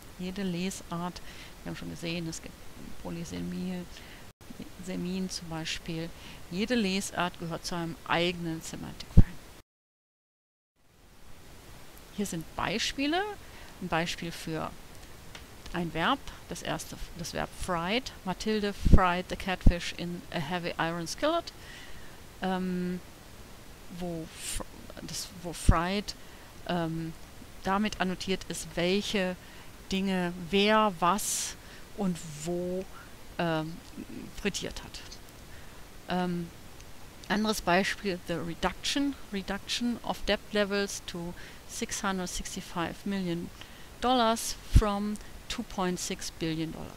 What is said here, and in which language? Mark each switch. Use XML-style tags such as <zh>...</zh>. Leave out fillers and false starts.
<de>Jede Lesart, wir haben schon gesehen, es gibt Polysemien zum Beispiel, jede Lesart gehört zu einem eigenen Semantic Frame. Hier sind Beispiele, ein Beispiel für ein Verb, das erste, das Verb fried.</de> <en>Mathilde fried the catfish in a heavy iron skillet.</en> <de>Wo fried damit annotiert ist, welche Dinge, wer, was und wo frittiert hat. Anderes Beispiel,</de> <en>the reduction of debt levels to $665 million from $2.6 billion.</en>